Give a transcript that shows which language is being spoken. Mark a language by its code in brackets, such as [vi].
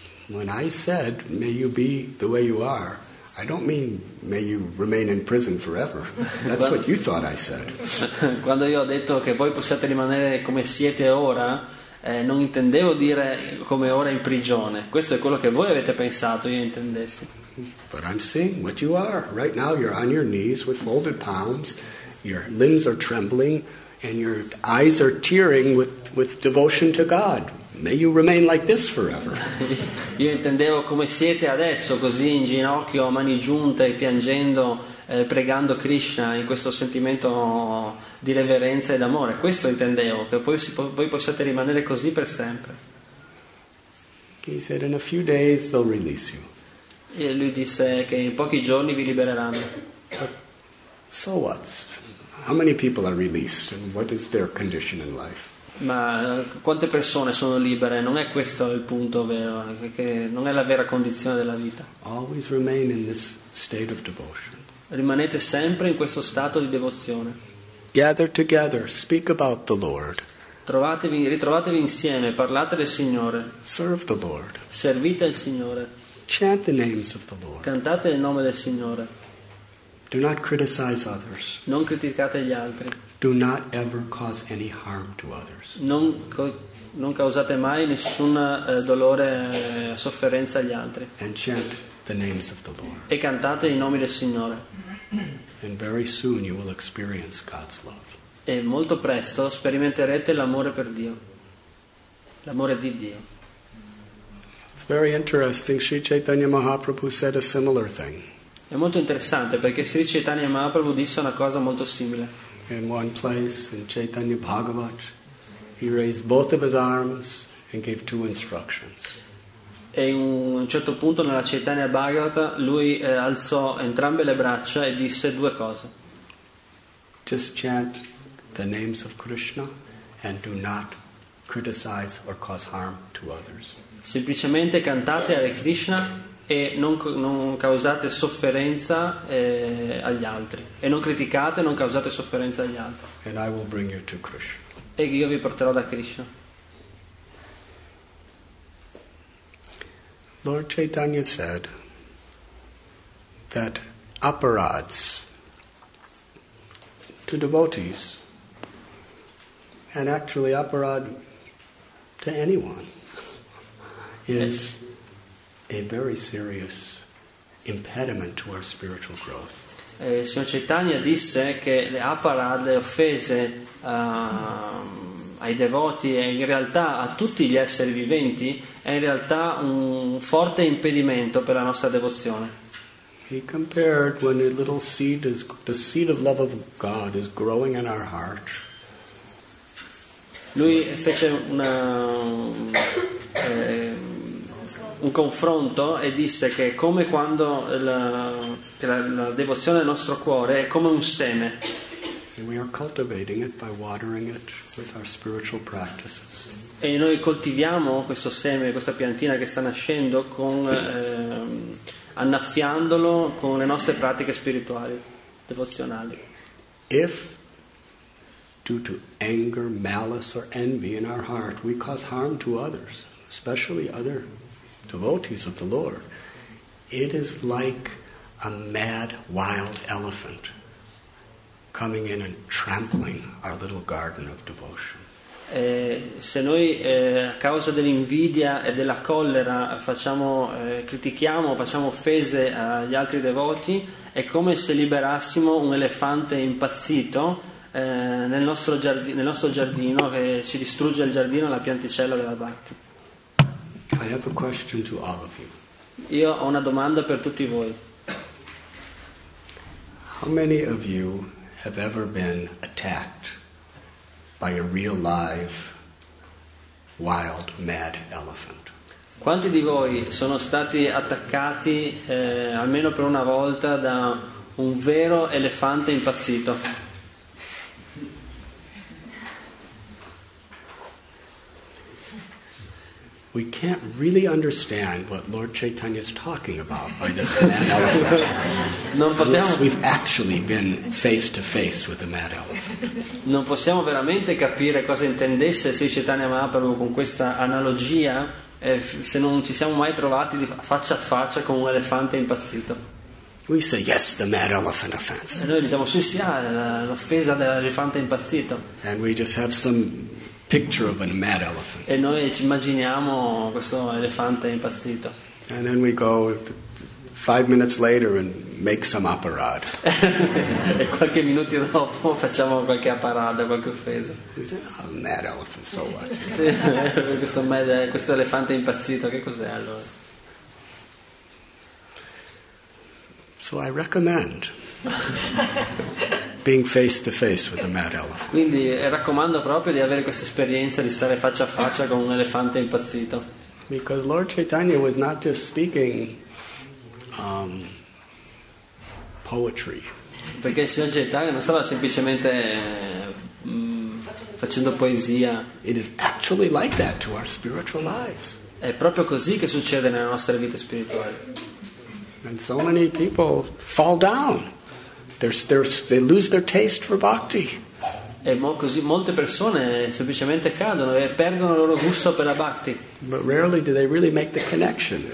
[en] When I said, may you be the way you are, I don't mean may you remain in prison forever. That's what you thought I said. [it] Quando io ho detto che voi possiate rimanere come siete ora, non intendevo dire come ora in prigione. Questo è quello che voi avete pensato, io intendessi. [en] But I'm seeing what you are. Right now you're on your knees with folded palms, your limbs are trembling, and your eyes are tearing with devotion to God. May you remain like this forever. [it] Io intendevo come siete adesso, così in ginocchio, a mani giunte, piangendo, pregando Krishna in questo sentimento di reverenza ed amore. Questo intendevo, che voi possiate rimanere così per sempre. [en] He said, in a few days they'll release you. [it] E lui disse che in pochi giorni vi libereranno. [en] So what? How many people are released and what is their condition in life? [it] Ma quante persone sono libere? Non è questo il punto vero, che non è la vera condizione della vita. [en] Always remain in this state of devotion. [it] Rimanete sempre in questo stato di devozione. [en] Gather together, speak about the Lord. [it] Ritrovatevi insieme, parlate del Signore. [en] Serve the Lord. [it] Servite il Signore. [en] Chant the names of the Lord. [it] Cantate il nome del Signore. [en] Do not criticize others. [it] Non criticate gli altri. [en] Do not ever cause any harm to others. [it] Non causate mai nessun dolore, sofferenza agli altri. [en] And chant the names of the Lord. [it] E cantate i nomi del Signore. [en] And very soon you will experience God's love. [it] E molto presto sperimenterete l'amore per Dio. L'amore di Dio. [en] It's very interesting. Sri Chaitanya Mahaprabhu said a similar thing. [it] È molto interessante perché Sri Chaitanya Mahaprabhu disse una cosa molto simile. [en] In one place, in Chaitanya Bhagavat, he raised both of his arms and gave two instructions. [it] E in un certo punto nella Chaitanya Bhagavat lui alzò entrambe le braccia e disse due cose. [en] Just chant the names of Krishna and do not criticize or cause harm to others. [it] Semplicemente cantate Hare Krishna e non causate sofferenza agli altri. E non criticate, non causate sofferenza agli altri. [en] And I will bring you to Krishna. [it] E io vi porterò da Krishna. [en] Lord Chaitanya said that aparads to devotees, and actually aparad to anyone, is a very serious impediment to our spiritual growth. [it] Signor Chaitanya disse che le aparad, le offese ai devoti e in realtà a tutti gli esseri viventi è in realtà un forte impedimento per la nostra devozione. [en] He compared when a little seed is the seed of love of God is growing in our heart. [it] Lui fece una un confronto e disse che è come quando la devozione del nostro cuore è come un seme. [en] And we are cultivating it by watering it with our spiritual practices. [it] E noi coltiviamo questo seme, questa piantina che sta nascendo con annaffiandolo con le nostre pratiche spirituali devozionali. [en] If due to anger, malice or envy in our heart, we cause harm to others, especially other devotees of the Lord, it is like a mad wild elephant coming in and trampling our little garden of devotion. [it] Se noi a causa dell'invidia e della collera facciamo offese agli altri devoti, è come se liberassimo un elefante impazzito nel nostro giardino che ci distrugge il giardino e la pianticella della Bhakti. [en] I have a question to all of you. [it] Io ho una domanda per tutti voi. [en] How many of you have ever been attacked by a real live wild mad elephant? [it] Quanti di voi sono stati attaccati almeno per una volta da un vero elefante impazzito? [en] We can't really understand what Lord Chaitanya is talking about by this mad elephant. [it] Non potevamo. [en] Unless we've actually been face to face with the mad elephant. [it] Non possiamo veramente capire cosa intendesse Sri Chaitanya Mahaprabhu con questa analogia se non ci siamo mai trovati faccia a faccia con un elefante impazzito. [en] We say yes, the mad elephant offense. [it] E noi diciamo sì, l'offesa dell'elefante impazzito. [en] And we just have some picture of a mad elephant. [it] E noi ci immaginiamo questo elefante impazzito. [en] And then we go 5 minutes later and make some apparat. [it] E qualche minuto dopo facciamo qualche apparato, qualche offesa. [en] Oh, mad elephant, so what? [it] Sì, questo elefante impazzito, che cos'è allora? [en] So I recommend being face to face with a mad elephant. [it] Quindi raccomando proprio di avere questa esperienza di stare faccia a faccia con un elefante impazzito. [en] Because Lord Chaitanya was not just speaking poetry. [it] Perché il Signor Chaitanya non stava semplicemente facendo poesia. [en] It is actually like that to our spiritual lives. [it] È proprio così che succede nelle nostre vite spirituali. [en] And so many people fall down. They lose their taste for bhakti. [it] E così molte persone semplicemente cadono e perdono il loro gusto per la bhakti. [en] But rarely do they really make the connection.